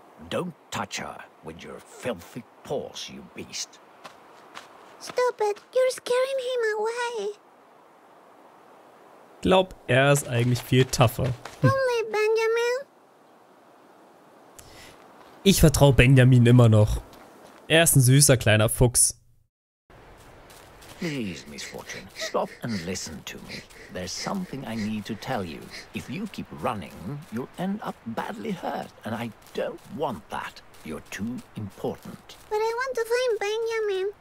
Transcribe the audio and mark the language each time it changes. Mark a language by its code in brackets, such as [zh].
[en] Don't touch her with your filthy paws, you beast. Stop it. You're scaring him away. [de] Ich glaube, er ist eigentlich viel tougher. [en] Only Benjamin. [de] Ich vertraue Benjamin immer noch. Er ist ein süßer kleiner Fuchs. [en] Please, Miss Fortune, stop and listen to me. There's something I need to tell you. If you keep running, you'll end up badly hurt, and I don't want that. You're too important. But I want to find Benjamin.